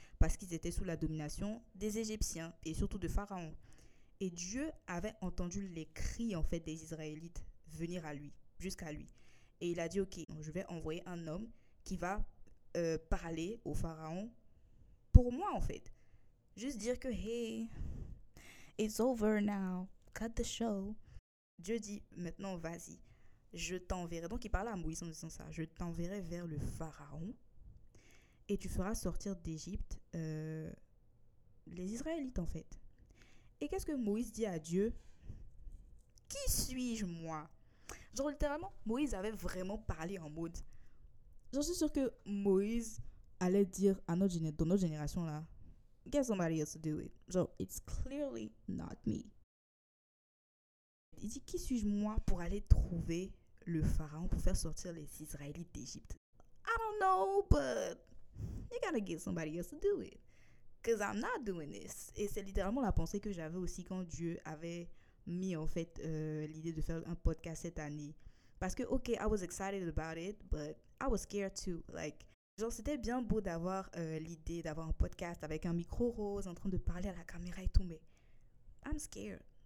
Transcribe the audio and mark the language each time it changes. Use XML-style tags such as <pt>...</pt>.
<fr>Parce qu'ils étaient sous la domination des Égyptiens et surtout de Pharaon. Et Dieu avait entendu les cris, en fait, des Israélites venir à lui, jusqu'à lui. Et il a dit, ok, je vais envoyer un homme qui va parler au Pharaon pour moi, en fait. Juste dire que,</fr> <en>hey, it's over now, cut the show.</en> <fr>Dieu dit, maintenant, vas-y, je t'enverrai. Donc, il parle à Moïse en disant ça. Je t'enverrai vers le Pharaon et tu feras sortir d'Égypte les Israélites, en fait. Et qu'est-ce que Moïse dit à Dieu? Qui suis-je, moi? Genre, littéralement, Moïse avait vraiment parlé en mode. J'en suis sûre que Moïse allait dire à notre génération, là,</fr> <en>get somebody else to do it.</en> <fr>Genre,</fr> <en>it's clearly not me.</en> <fr>Il dit, qui suis-je, moi, pour aller trouver le Pharaon pour faire sortir les Israélites d'Égypte?</fr> <en>I don't know, but you gotta get somebody else to do it. Because I'm not doing this.</en> <fr>Et c'est littéralement la pensée que j'avais aussi quand Dieu avait mis en fait l'idée de faire un podcast cette année. Parce que,</fr> <en>ok, I was excited about it, but I was scared too.</en> <fr>Like, genre, c'était bien beau d'avoir l'idée d'avoir un podcast avec un micro rose en train de parler à la caméra et tout, mais</fr> <en>I'm scared.</en>